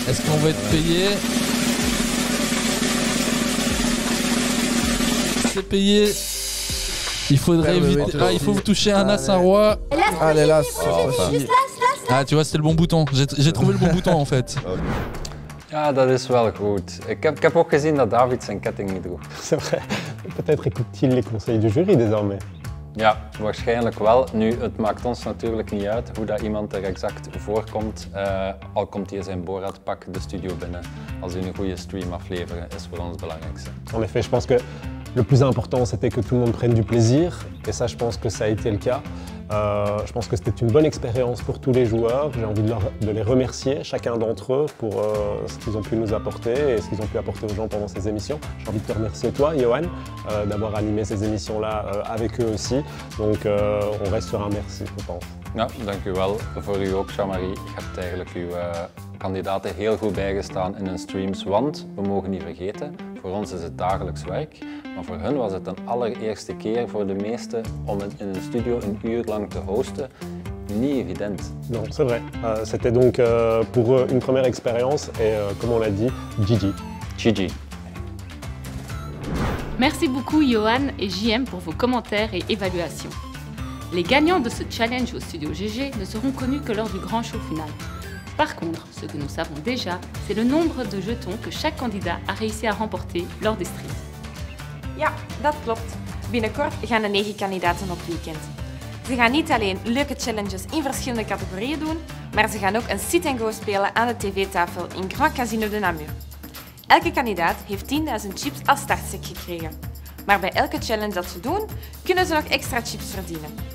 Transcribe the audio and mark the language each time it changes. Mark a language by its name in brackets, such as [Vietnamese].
[French] Est-ce qu'on va être payé? C'est payé. Il faudrait éviter. Ah, il faut vous toucher un as, un roi. Allez, l'as. Oh, ah, tu vois, c'était le bon bouton. J'ai trouvé le bon bouton en fait. [Dutch] Ja, dat is wel goed. Ik heb ook gezien dat David zijn ketting niet droeg. [French] C'est vrai. Peut-être écoute-t-il les conseils du jury désormais. [Dutch] Ja, waarschijnlijk wel. Nu, het maakt ons natuurlijk niet uit hoe dat iemand er exact voorkomt. Al komt hij in zijn Borat-pak de studio binnen. Als hij een goede stream afleveren, is voor ons het belangrijkste. [French] En effet, je pense que le plus important, c'était que tout le monde prenne du plaisir. Et ça, je pense que ça a été le cas. Je pense que c'était une bonne expérience pour tous les joueurs. J'ai envie de les remercier, chacun d'entre eux, pour ce qu'ils ont pu nous apporter et ce qu'ils ont pu apporter aux gens pendant ces émissions. J'ai envie de te remercier, toi, Johan, d'avoir animé ces émissions-là avec eux aussi. Donc, on reste sur un merci, je pense. [Dutch] Ja, dankjewel. Voor u ook, Jean-Marie. Je hebt eigenlijk uw kandidaten heel goed bijgestaan in hun streams. Want we mogen niet vergeten, voor ons is het dagelijks werk. Maar voor hun was het een allereerste keer voor de meesten om het in een studio een uur lang te hosten. Niet evident. [French] Non, c'est vrai. C'était donc pour eux une première expérience. Et comme on l'a dit, Gigi. Gigi. Merci beaucoup, Johan et JM, pour vos commentaires et évaluations. Les gagnants de ce challenge au studio GG ne seront connus que lors du grand show final. Par contre, ce que nous savons déjà, c'est le nombre de jetons que chaque candidat a réussi à remporter lors des streams. [Dutch] Ja, dat klopt. Binnenkort gaan de 9 kandidaten op weekend. Ze gaan niet alleen leuke challenges in verschillende categorieën doen, maar ze gaan ook een sit-and-go spelen aan de tv-tafel in Grand Casino de Namur. Elke kandidaat heeft 10.000 chips als startstick gekregen. Maar bij elke challenge dat ze doen, kunnen ze nog extra chips verdienen.